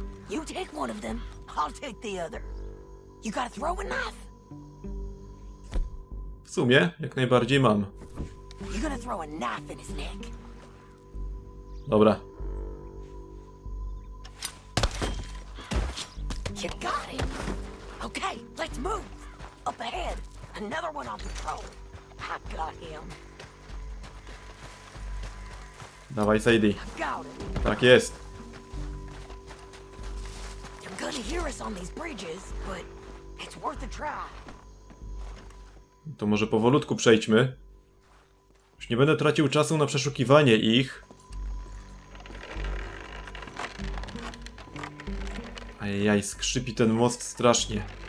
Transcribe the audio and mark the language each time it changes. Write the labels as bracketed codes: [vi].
[en] You take one of them, I'll take the other. You gotta throw a knife. [pl] W sumie, jak najbardziej mam. [en] You gonna throw a knife in his neck. [pl] Dobra. [en] You got him. Okay, let's move. Up ahead. Another one on patrol. I got him. [pl] Dawaj, Sadie. [en] I got him. [pl] Tak jest. [en] They're gonna hear us on these bridges, but it's worth a try. [pl] To może powolutku przejdźmy. Już nie będę tracił czasu na przeszukiwanie ich. Ajajaj, skrzypi ten most strasznie.